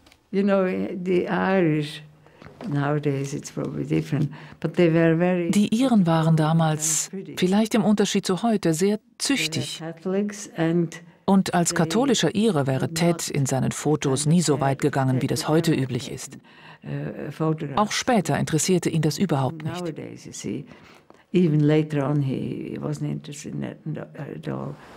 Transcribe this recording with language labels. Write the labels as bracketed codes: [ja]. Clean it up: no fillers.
[en] You know, the Irish nowadays it's probably different, but they were very. [de] Die Iren waren damals, vielleicht im Unterschied zu heute, sehr züchtig. Und als katholischer Ire wäre Ted in seinen Fotos nie so weit gegangen, wie das heute üblich ist. Auch später interessierte ihn das überhaupt nicht. [en] Even later on, he wasn't interested in that at all.